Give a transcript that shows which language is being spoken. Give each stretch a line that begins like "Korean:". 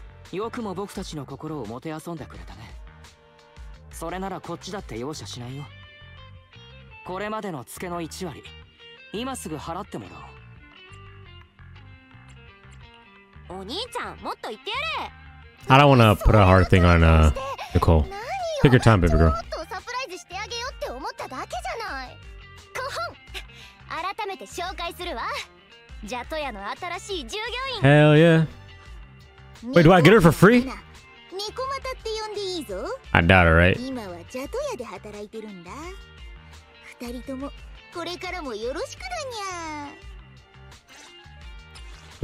Japanese: you come up with a cocoro, Moteas on the Cretane. So I'm not a coach that they also shine you. これまでの付けの1割、今すぐ払ってもらおう。お兄ちゃん、もっと言ってやれ。
English: I don't wanna put a hard thing on Nicole. Take your time, baby girl.
Japanese: ちょっとサプライズしてあげようって思っただけじゃない。コホン、改めて紹介するわ。ジャトヤの新しい従業員。
English: Hell yeah. Wait, do I get her for free?
Japanese: ニコマタって呼んでいいぞ。
English: I doubt it, right?
Japanese: 今はジャトヤで働いてるんだ。二人ともこれからもよろしくだにゃ。